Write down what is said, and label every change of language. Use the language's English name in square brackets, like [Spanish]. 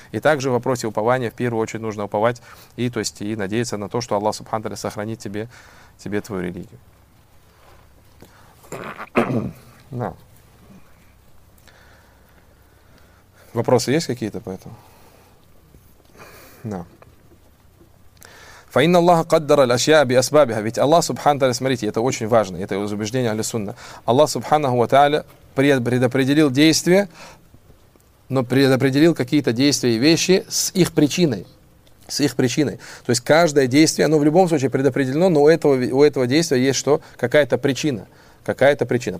[Russian] И также в вопросе упования в первую очередь нужно уповать и, то есть, и надеяться на то, что Аллах Субханаху сохранит тебе твою религию. Да. Вопросы есть какие-то по этому? Да. [Arabic] فإن الله قدر الأشياء بأسبابها. [Russian] Ведь Аллах Субханаху Тааля, смотрите, это очень важно, это убеждение Али Сунна. Аллах Субханаху ва Тааля предопределил действия, но предопределил какие-то действия и вещи с их причиной. С их причиной. То есть каждое действие, оно в любом случае предопределено, но у этого действия есть что? Какая-то причина. Какая-то причина.